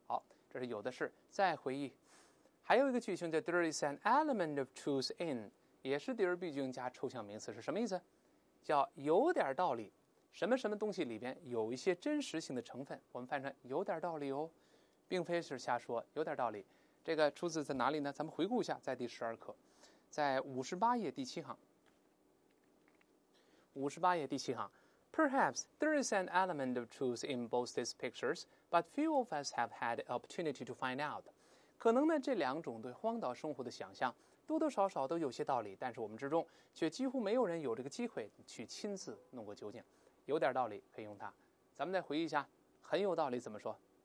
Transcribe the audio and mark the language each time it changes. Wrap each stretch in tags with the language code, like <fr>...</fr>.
<zh>好，这是有的是。再回忆，还有一个句型叫</zh> <en>there is an element of truth in，</en> <zh>也是</zh> <en>there be</en> <zh>句型加抽象名词，是什么意思？叫有点道理，什么什么东西里边有一些真实性的成分，我们翻译成有点道理哦，并非是瞎说，有点道理。这个出自在哪里呢？咱们回顾一下，在第十二课，在58页第七行。 58页第七行，</zh> <en>Perhaps there is an element of truth in both these pictures, but few of us have had opportunity to find out.</en> <zh>可能呢，这两种对荒岛生活的想象多多少少都有些道理，但是我们之中却几乎没有人有这个机会去亲自弄个究竟。有点道理可以用它。咱们再回忆一下，很有道理怎么说？</zh>